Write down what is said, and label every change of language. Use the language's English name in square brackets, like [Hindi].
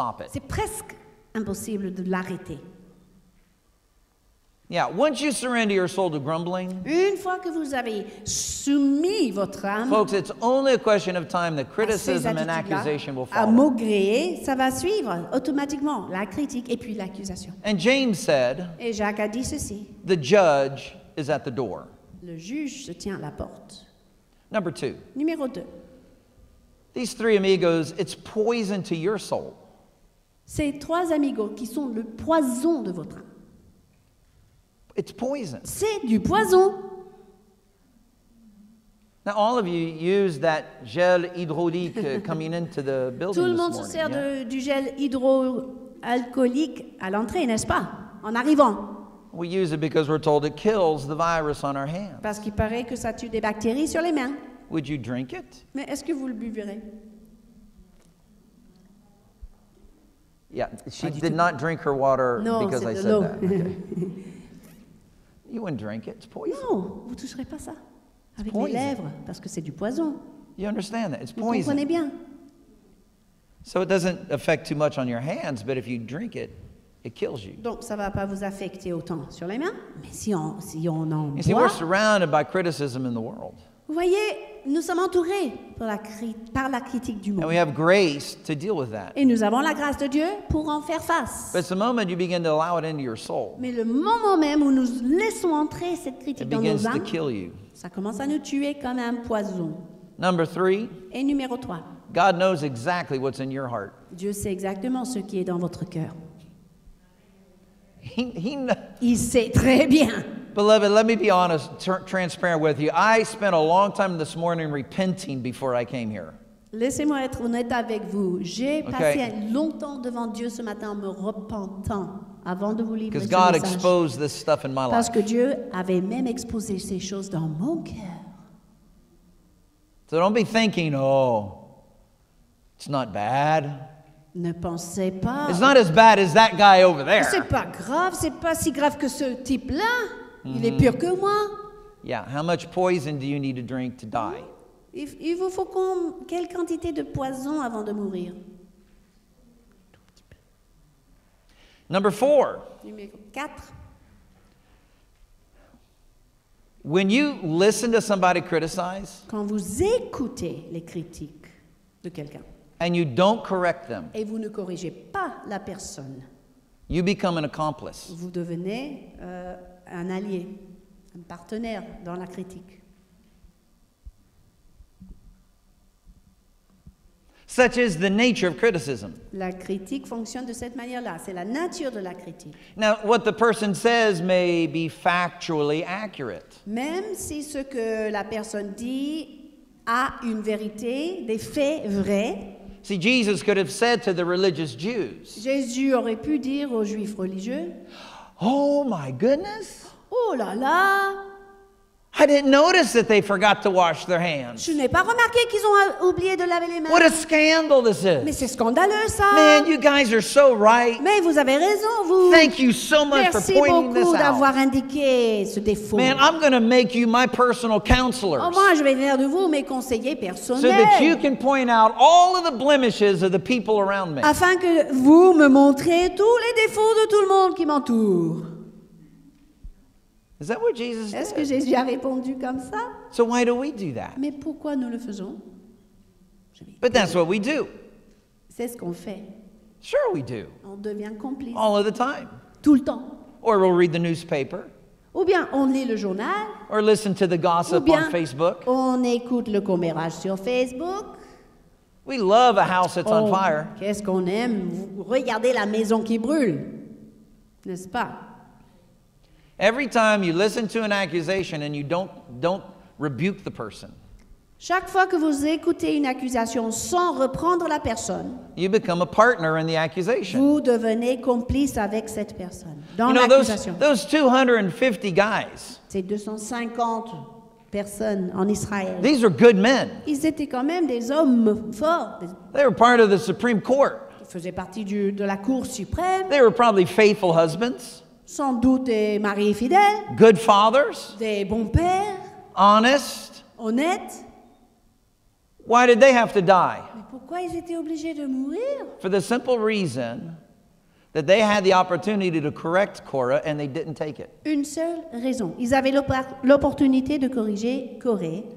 [French] c'est presque impossible de l'arrêter. [English] Yeah, once you surrender your soul to grumbling, [French] une fois que vous avez soumis votre âme, [English] folks, it's only a question of time that criticism and accusation will follow. [French] À maugréer, ça va suivre automatiquement la critique et puis l'accusation. [English] And James said, [French] et Jacques a dit ceci, [English] the judge is at the door. [French] Le juge se tient à la porte. [English] Number two. [French] Numéro deux. [English] These three amigos, it's poison to your soul. [French] Ces trois amigos qui sont le poison de votre âme. [English] It's poison. [French] C'est du poison. [English] Now all of you use that gel hydraulique coming into the building. [French] Tout le monde [English] this [French] se sert [English] yeah? [French] du gel hydroalcoolique à l'entrée, n'est-ce pas? En arrivant. [English] We use it because we're told it kills the virus on our hands. [French] Parce qu'il paraît que ça tue des bactéries sur les mains. [English] Would you drink it? [French] Mais est-ce que vous le buvrez? [English] Yeah, she did not drink her water [French] non, [English] because I said [French] l'eau. [English] That. Okay. You wouldn't drink it. It's poison. [French] Non, vous toucherez pas ça avec les lèvres parce que c'est du poison. [English] You understand that? It's [French] vous [English] poison. [French] Vous comprenez bien. [English] So it doesn't affect too much on your hands, but if you drink it, it kills you. [French] Donc ça va pas vous affecter autant sur les mains, mais si on en [English] you [French] boit. [English] See, we're surrounded by criticism in the world. [French] Vous voyez, nous sommes entourés par la critique du monde. [English] And we have grace to deal with that. [French] Et nous avons la grâce de Dieu pour en faire face. [English] But it's the moment you begin to allow it into your soul. [French] Mais le moment même où nous laissons entrer cette critique dans nos âmes, [English] it begins to kill you. [French] Ça commence à nous tuer comme un poison. [English] Number three. [French] Et numéro 3. [English] God knows exactly what's in your heart. [French] Dieu sait exactement ce qui est dans votre cœur. Il sait très bien. [English] Beloved, let me be honest, transparent with you. I spent a long time this morning repenting before I came here. [French] Laissez-moi être honnête avec vous. J'ai passé longtemps devant Dieu ce matin en me repentant avant de vous livrer ce message. [English] God exposed this stuff in my life. [French] Parce que Dieu avait même exposé ces choses dans mon cœur. [English] So don't be thinking, oh, it's not bad. [French] Ne pensez pas. [English] It's not as bad as that guy over there. [French] C'est pas grave. C'est pas si grave que ce type-là. Il est pire que moi. [English] Yeah, how much poison do you need to drink to die? [French] Il vous faut quelle quantité de poison avant de mourir? [English] Number four. [French] Numéro 4. [English] When you listen to somebody criticize, [French] quand vous écoutez les critiques de quelqu'un, [English] and you don't correct them, [French] et vous ne corrigez pas la personne, [English] you become an accomplice. [French] Vous devenez un allié, un partenaire dans la critique. [English] Such is the nature of criticism. [French] La critique fonctionne de cette manière-là. C'est la nature de la critique. [English] Now, what the person says may be factually accurate. [French] Même si ce que la personne dit a une vérité, des faits vrais. [English] See, Jesus could have said to the religious Jews. [French] Jésus aurait pu dire aux Juifs religieux. [English] Oh my goodness. [French] Oh là là. [English] I didn't notice that they forgot to wash their hands. [French] Je n'ai pas remarqué qu'ils ont oublié de laver les mains. [English] What a scandal this is. [French] Mais c'est scandaleux ça. [English] Man, you guys are so right. [French] Mais vous avez raison vous. [English] Thank you so much [French] Merci [English] for pointing this out. [French] Merci d'avoir indiqué ce défaut. [English] Man, I'm going to make you my personal counselors. [French] Oh, moi je vais faire de vous mes conseillers personnels. [English] So that you can point out all of the blemishes of the people around me. [French] Afin que vous me montrez tous les défauts de tout le monde qui m'entoure. [English] Is that what Jesus did? [French] Est-ce que Jésus a répondu comme ça? [English] So why do we do that? [French] Mais pourquoi nous le faisons? [English] But that's what we do. [French] C'est ce qu'on fait. [English] Sure we do. [French] On devient complice. [English] All of the time. [French] Tout le temps. [English] Or we'll read the newspaper. [French] Ou bien on lit le journal. [English] Or listen to the gossip on Facebook. [French] Ou bien on écoute le commérage sur Facebook. [English] We love a house that's on fire. [French] Qu'est-ce qu'on aime? Regardez la maison qui brûle. N'est-ce pas? [English] Every time you listen to an accusation and you don't rebuke the person. [French] Chaque fois que vous écoutez une accusation sans reprendre la personne. [English] You become a partner in the accusation. [French] Vous devenez complice avec cette personne dans l'accusation. [English] You know, those 250 guys. [French] Ces 250 personnes en Israël. [English] These are good men. [French] Ils étaient quand même des hommes forts. [English] They were part of the Supreme Court. [French] Ils faisaient partie de la Cour suprême. [English] They were probably faithful husbands. [French] Sans doute des maris fidèles. [English] Good fathers. [French] Des bons pères. [English] Honest. [French] Honnête. [English] Why did they have to die? [French] Mais pourquoi ils étaient obligés de mourir? [English] For the simple reason that they had the opportunity to correct Korah and they didn't take it. [French] Une seule raison. Ils avaient l'opportunité de corriger Korah.